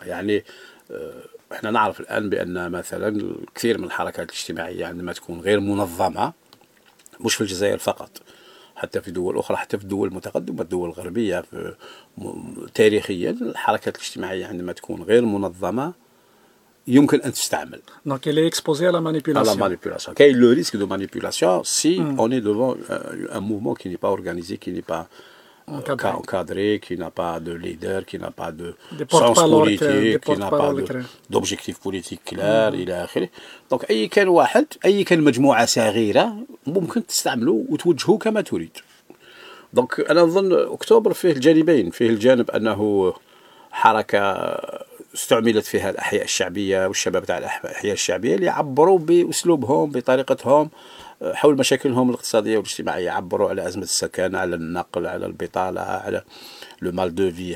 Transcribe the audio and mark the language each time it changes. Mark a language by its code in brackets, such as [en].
[ar] يعني احنا نعرف الآن بأن مثلا كثير من الحركات الاجتماعية عندما تكون غير منظمة، مش في الجزائر فقط، حتى في دول أخرى، حتى في الدول المتقدمة، الدول الغربية تاريخيا، الحركات الاجتماعية عندما تكون غير منظمة يمكن أن تستعمل. [fr] Donc elle est exposée à la manipulation. À la manipulation. Quel est le risque de manipulation si on est devant un mouvement qui n'est pas organisé, qui n'est pas encadré, qui n'a pas de leader, qui n'a pas de sens politique, qui n'a pas d'objectif politique clair, [ar] إلى آخره. [fr] Donc [ar] أي كان واحد، أي كان مجموعة صغيرة ممكن تستعمله وتوجهه كما تريد. [fr] Donc [ar] أنا أظن أكتوبر فيه الجانبين، فيه الجانب أنه حركة استعملت فيها الأحياء الشعبية والشباب تاع الأحياء الشعبية اللي عبروا بأسلوبهم بطريقتهم حول مشاكلهم الاقتصادية والاجتماعية، عبروا على أزمة السكن، على النقل، على البطالة، على [fr] لو مال دو في.